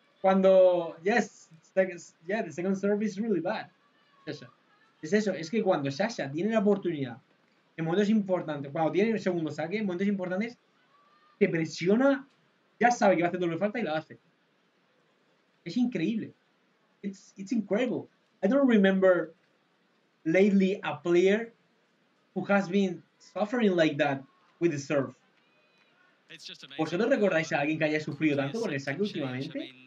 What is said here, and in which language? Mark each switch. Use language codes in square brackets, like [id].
[es] Cuando [en] the second serve is really bad. [es] Eso. Es eso. Es que cuando Sasha tiene la oportunidad. En momentos importantes, cuando tiene el segundo saque, en momentos importantes, te presiona, ya sabe que va a hacer doble falta y la hace. Es increíble. [en] It's incredible. I don't remember lately a player who has been suffering like that with the serve. [es] ¿Vosotros recordáis a alguien que haya sufrido tanto con el saque últimamente?